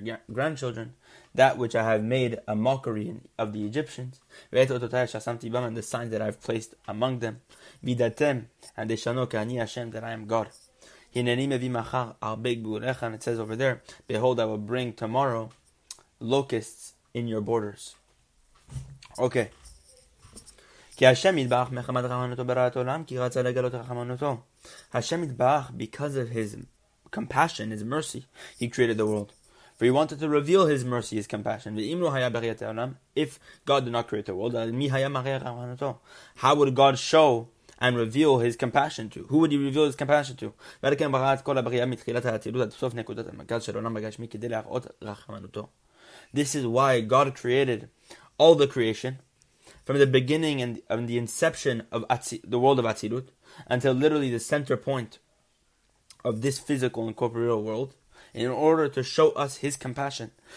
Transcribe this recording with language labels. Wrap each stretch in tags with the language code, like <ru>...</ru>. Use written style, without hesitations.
<en>grandchildren that which I have made a mockery of the Egyptians</en> <he>ואת אותותי אשר שמתי בם</he> <en>and the signs that I have placed among them</en> <he>וידעתם</he> <en>and they shall know</en> <he>כי אני השם</he> <en>that I am God</en> <he>הנני מביא מחר הרבה גבולך</he> <en>and it says over there behold I will bring tomorrow locusts in your borders okay</en> <he>כי השם יתברך מחמת רחמנותו בראת עולם, כי רצה לגלות רחמנותו.</he> <en>השם יתברך, because of his compassion, his mercy, he created the world. For he wanted to reveal his mercy, his compassion.</en> <he>ואם לא היה בריאת העולם,</he> <en>if God did not create the world,</en> <he>מי היה מראה רחמנותו?</he> <en>How would God show and reveal his compassion to? Who would he reveal his compassion to?</en> <he>ועד כן ברא את כל הבריאה מתחילת האצילות, עד סוף נקודת המרכז של עולם הגשמי, כדי להראות רחמנותו.</he> <en>This is why God created all the creation, from the beginning and the inception of the world of Atzilut until literally the center point of this physical and corporeal world in order to show us his compassion.</en>